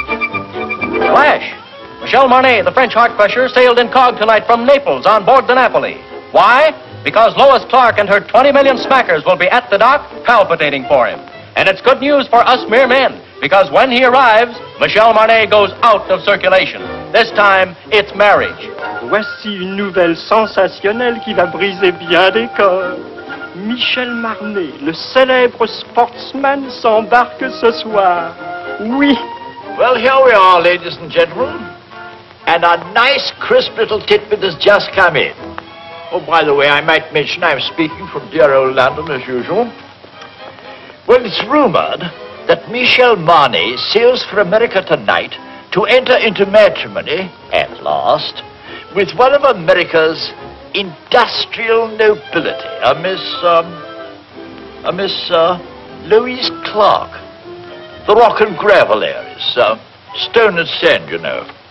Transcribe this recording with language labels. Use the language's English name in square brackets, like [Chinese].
[English] Marnay, the French heart crusher, sailed in cog tonight from Naples on board the Napoli. Why? Because Lois Clark and her 20 million smackers will be at the dock palpitating for him. And it's good news for us mere men, because when he arrives, Michel Marnay goes out of circulation. This time, it's marriage. [French] Voici une nouvelle sensationnelle qui va briser bien des corps. Michel Marnay, le célèbre sportsman, s'embarque ce soir. Oui. [English] Well, here we are, ladies and gentlemen. And a nice, crisp little titbit has just come in. Oh, by the way, I might mention I'm speaking from dear old London, as usual. Well, it's rumored that Michel Marnay sails for America tonight to enter into matrimony, at last, with one of America's industrial nobility, Louise Clark, the rock and gravel heiress, stone and sand, you know.